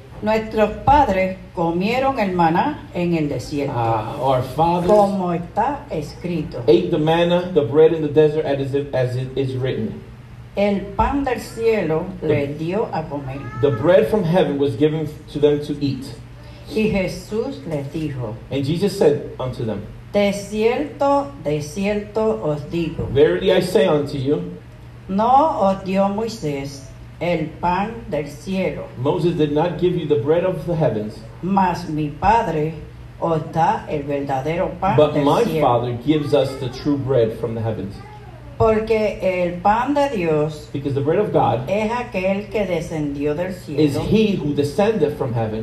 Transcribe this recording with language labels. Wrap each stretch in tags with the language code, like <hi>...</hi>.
<es>Nuestros padres comieron el maná en el desierto.</es> <en>Our fathers.</en> <es>Como está escrito.</es> <en>Ate the manna, the bread in the desert, as it is written.</en> <es>El pan del cielo le dio a comer.</es> <en>The bread from heaven was given to them to eat.</en> <es>Y Jesús les dijo.</es> <en>And Jesus said unto them.</en> <es>De cierto os digo.</es> <en>Verily I say unto you.</en> <es>No os dio Moisés el pan del cielo.</es> <en>Moses did not give you the bread of the heavens.</en> <es>Mas mi padre os da el verdadero pan</es> <en>but</en> <es>del</es> <en>my</en> <es>cielo.</es> <en>Father gives us the true bread from the heavens.</en> <es>Porque el pan de Dios.</es> <en>Because the bread of God.</en> <es>Es aquel que descendió del cielo.</es> <en>Is he who descended from heaven.</en>